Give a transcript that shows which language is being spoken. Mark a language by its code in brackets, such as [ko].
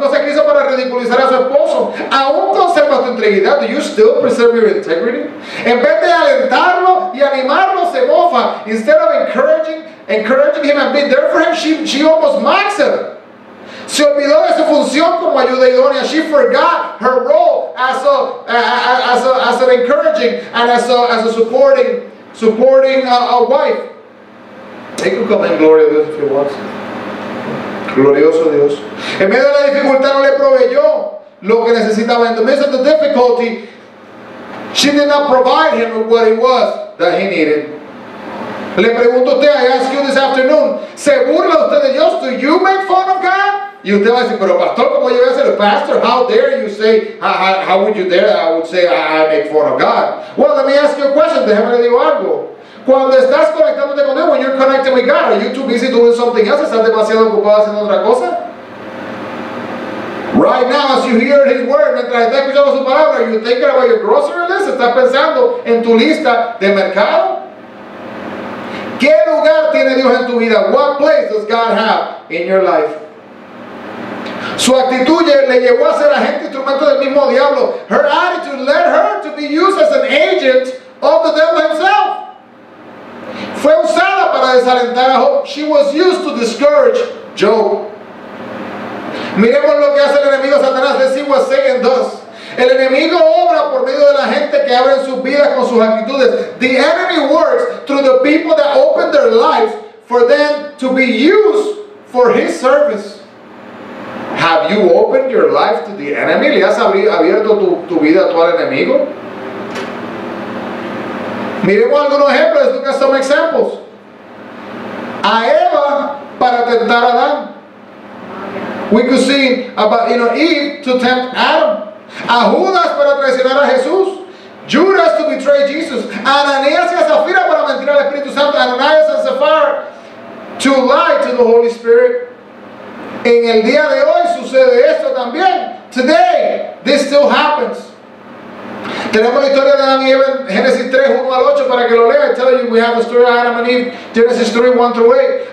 [es] Cosas que hizo para ridiculizar a su esposo. Aún conserva tu integridad. [en] Do you still preserve your integrity? [es] En vez de alentarlo y animarlo, se mofa. [en] Instead of encouraging him and being there for him, she almost mocks him. [es] Se olvidó de su función como ayuda idónea. [en] She forgot her role as an encouraging and as a supporting a wife. He could come in glory of Dios if he wants. [es] Glorioso Dios. En medio de la dificultad no le proveyó lo que necesitaba. [en] In the midst of the difficulty, she did not provide him with what it was that he needed. [es] Le pregunto a usted, [en] I ask you this afternoon, [es] ¿se burla usted de Dios? [en] Do you make fun of God? [es] Y usted va a decir, pero pastor, ¿cómo yo voy a ser el pastor? [en] How dare you say, how would you dare? I would say, I make fun of God. Well, let me ask you a question. [es] Déjame digo algo. Cuando estás conectándote con Dios, [en] when you're connecting with God, are you too busy doing something else? [es] ¿Estás demasiado ocupado haciendo otra cosa? [en] Right now, as you hear His word, [es] mientras estás escuchando su palabra, [en] are you thinking about your grocery list? [es] ¿Estás pensando en tu lista de mercado? ¿Qué lugar tiene Dios en tu vida? [en] What place does God have in your life? [es] Su actitud le llevó a ser agente instrumento del mismo diablo. [en] Her attitude led her to be used as an agent of the devil himself. [es] Fue usada para desalentar a Job. [en] She was used to discourage Job. [es] Miremos lo que hace el enemigo Satanás. [en] Let's see what Satan does. [es] El enemigo obra por medio de la gente que abre sus vidas con sus actitudes. [en] The enemy works through the people that open their lives for them to be used for his service. Have you opened your life to the enemy? [es] ¿Le has abierto tu vida al enemigo? Miremos algunos ejemplos. [en] Look at some examples. [es] A Eva para tentar a Adán. [en] We could see about, you know, Eve to tempt Adam. [es] A Judas para traicionar a Jesús. [en] Judas to betray Jesus. [es] A Ananias y a Zafira para mentir al Espíritu Santo. [en] Ananias and Sapphira to lie to the Holy Spirit. [es] En el día de hoy sucede esto también. [en] Today, this still happens. [es] Tenemos la historia de Adam y Eva en Génesis 3, 1 al 8, para que lo lea. [en] I tell you, we have the story of Adam and Eve, Genesis 3, 1 through 8.